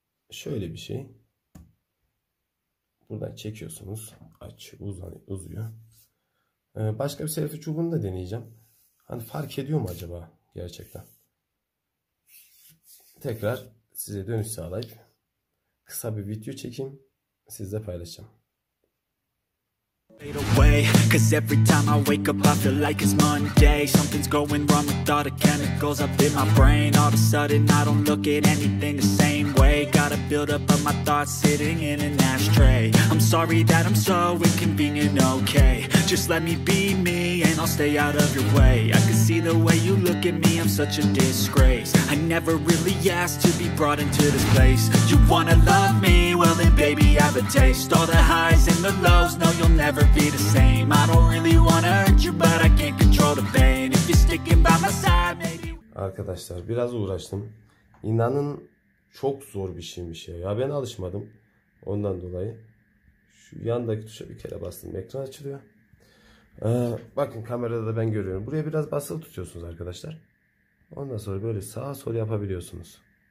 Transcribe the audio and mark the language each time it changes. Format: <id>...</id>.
<tr>Şöyle bir şey. Buradan çekiyorsunuz. Aç, uzan, uzuyor. Başka bir selfie çubuğunu da deneyeceğim. Hani fark ediyor mu acaba gerçekten? Tekrar size dönüş sağlayıp kısa bir video çekeyim. Sizle paylaşacağım.</tr> <en>Fade away, cause every time I wake up I feel like it's Monday. Something's going wrong with all the chemicals up in my brain. All of a sudden I don't look at anything the same way. Gotta build up of my thoughts sitting in an ashtray. I'm sorry that I'm so inconvenient, okay. Just let me be me and I'll stay out of your way. I can see the way you look at me, I'm such a disgrace. I never really asked to be brought into this place. You wanna love me, well then baby have a taste. All the highs and the lows, no you'll never be the same. I don't really wanna hurt you, but I can't control the pain. If you're sticking by my side, maybe.</en> <tr>Arkadaşlar biraz uğraştım. İnanın çok zor bir şeymiş ya. Ya ben alışmadım. Ondan dolayı şu yandaki tuşa bir kere bastım. Ekran açılıyor. Bakın kamerada da ben görüyorum. Buraya biraz basılı tutuyorsunuz arkadaşlar. Ondan sonra böyle sağa sol yapabiliyorsunuz.</tr>